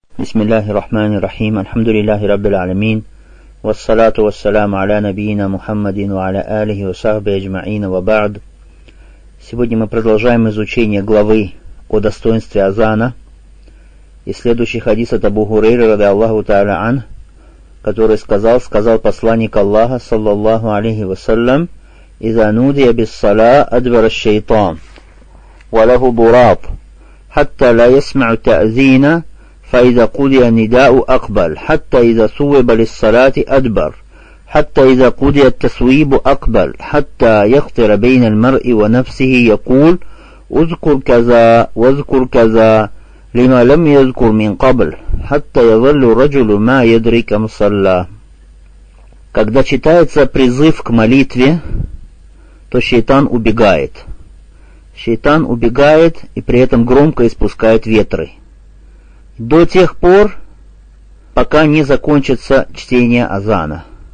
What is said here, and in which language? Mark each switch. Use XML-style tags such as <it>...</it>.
<ar>بسم الله الرحمن الرحيم الحمد لله رب العالمين والصلاة والسلام على نبينا محمد وعلى آله وصحبه أجمعين وبعد.</ar> <ru>Сегодня мы продолжаем изучение главы о достоинстве азана. И следующий хадис от Абу Хурейры</ru> <ar>رضي الله تعالى عنه,</ar> <ru>который сказал: сказал посланник Аллаха</ru> <ar>صلى الله عليه وسلم: إذا نودي بالصلاة أدبر الشيطان وله براب حتى لا يسمع تأذينا فإذا قضي النداء أقبل حتى إذا صوب للصلاة أدبر حتى إذا قضي التصويب أقبل حتى يخطر بين المرء ونفسه يقول أذكر كذا واذكر كذا لما لم يذكر من قبل حتى يظل الرجل ما يدري كم صلى.</ar> <ru>Когда читается призыв к молитве, то шайтан убегает. Шайтан убегает и при этом громко испускает ветры. До тех пор, пока не закончится чтение азана.</ru>